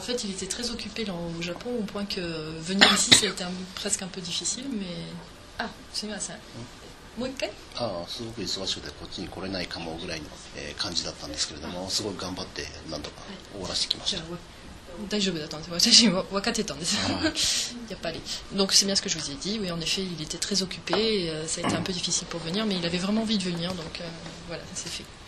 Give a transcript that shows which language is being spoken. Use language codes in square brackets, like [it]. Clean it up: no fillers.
[fr] fait, il était très occupé là, au Japon, au point que venir ici, ça a été presque un peu difficile, mais. Ah, c'est bien ça. [ja] すごく忙しくてこっちに来れないかもぐらいの感じだったんですけれども、すごく頑張って何とか終わらせてきました。大丈夫だったんです。私も分かってたんです。やっぱり。 [fr] Donc c'est bien ce que je vous ai dit. Oui, en effet, il était très occupé. Ça a été un peu difficile pour venir, mais il avait vraiment envie de venir. Donc voilà, c'est fait.